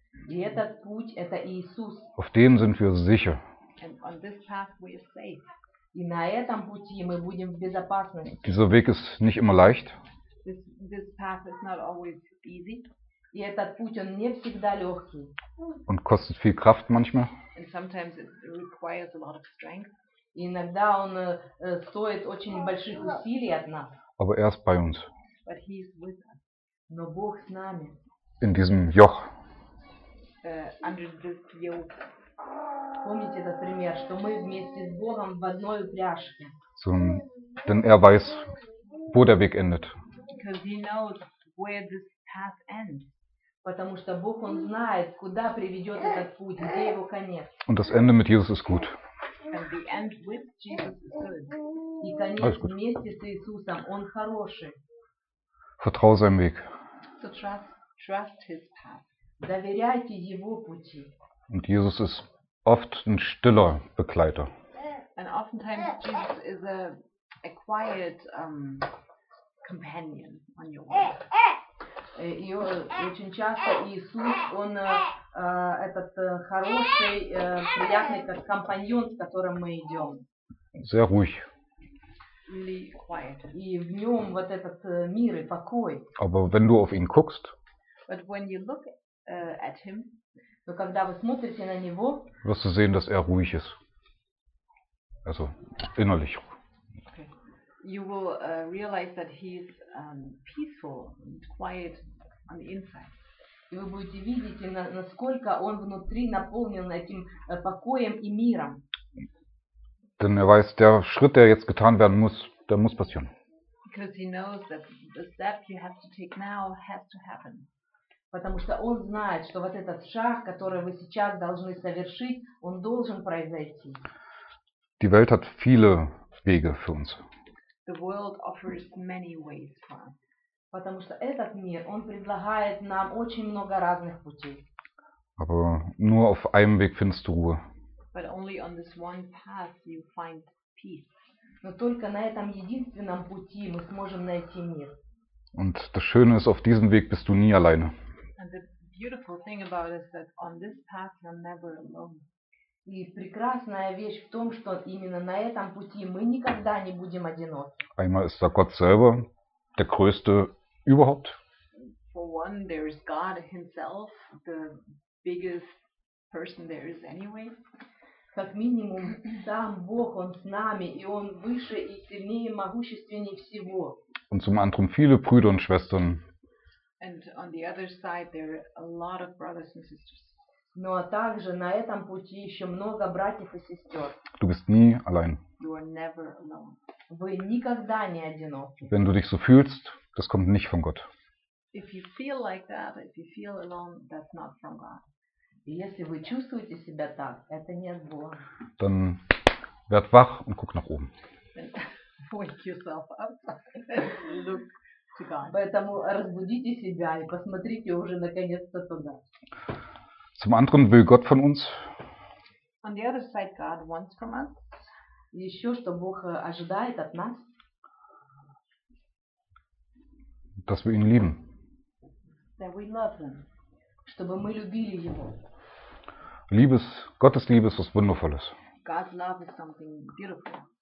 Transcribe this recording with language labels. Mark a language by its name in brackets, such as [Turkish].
[Russian] И этот путь – это Иисус. [German] Auf dem sind wir sicher. [English] And on this path we are safe. [Russian] И на этом пути мы будем в безопасности. [German] Dieser Weg ist nicht immer leicht. [English] This path is not always easy. [Russian] И этот путь, он не всегда легкий. [German] Und kostet viel Kraft manchmal. [English] And sometimes it requires a lot of strength. [Russian] И иногда он стоит очень больших усилий от нас. [German] Aber er ist bei uns. [English] But he is with us. [Russian] Но Бог с нами. [German] In diesem Joch. [English] Under this yoke. [Russian] Помните этот пример, что мы вместе с Богом в одной упряжке. [German] So, denn er weiß, wo der Weg endet. [English] Because he knows where this path ends. [Russian] Потому что Бог, он знает, куда приведет этот путь, где его конец. [German] Und das Ende mit Jesus ist gut. [English] And the end with Jesus is good. [Russian] И конец вместе с Иисусом, он хороший. [German] Vertrau seinem Weg. [English] So trust his path. [Russian] Доверяйте его пути. [German] Und Jesus ist oft ein stiller Begleiter. [English] And oftentimes Jesus is a quiet companion on your way. [Russian] И очень часто Иисус, он этот хороший, приятный как компаньон, с которым мы идем. [German] Sehr ruhig. [English] Really quiet. [Russian] И в нем вот этот мир и покой. [German] Aber wenn du auf ihn guckst, [English] but when you look at him, [Russian] но когда вы смотрите на него, [German] wirst du sehen, dass er ruhig ist. Also innerlich ruhig. [English] You will realize that he's peaceful and quiet on the inside. [Russian] И вы будете видеть, насколько он внутри наполнен этим покоем и миром. [German] Denn er weiß, der Schritt, der jetzt getan werden muss, der muss passieren. [English] Because he knows that the step you have to take now has to happen. [Russian] Потому что он знает, что вот этот шаг, который вы сейчас должны совершить, он должен произойти. [German] Die Welt hat viele Wege für uns. [English] The world offers many ways for us. [Russian] Потому что этот мир, он предлагает нам очень много разных путей. [German] Aber nur auf einem Weg findest du Ruhe. [English] But only on this one path you find peace. [Russian] Но только на этом единственном пути мы сможем найти мир. [German] Und das Schöne ist, auf diesem Weg bist du nie alleine. [English] And the beautiful thing about it is that on this path you're never alone. [Russian] И прекрасная вещь в том, что именно на этом пути мы никогда не будем одиноки. [German] Einmal ist der Gott selber der Größte überhaupt. [English] For one, there is God himself, the biggest person there is anyway. [Russian] Как минимум, сам Бог, Он с нами, и Он выше и сильнее, могущественнее всего. [German] Und zum anderen viele Brüder und Schwestern. [English] And on the other side, there are a lot of brothers and sisters. [Russian] Ну а также на этом пути еще много братьев и сестер. [German] Du bist nie allein. [English] You are never alone. [Russian] Вы никогда не одиноки. [German] Wenn du dich so fühlst, das kommt nicht von Gott. [English] If you feel like that, if you feel alone, that's not from God. [Russian] Если вы чувствуете себя так, это не от Бога. [German] Dann werd wach und guck nach oben. [English] Wake yourself up. Look. [Russian] Поэтому разбудите себя и посмотрите уже наконец-то туда. [German] Zum anderen will Gott von uns. [English] On the other side, God wants from us. [Russian] Еще что Бог ожидает от нас? [German] Dass wir ihn lieben. [English] That we love him. [Russian] Чтобы мы любили его. [German] Liebes, Gottes Liebe ist was Wundervolles. [English] God's love is something beautiful.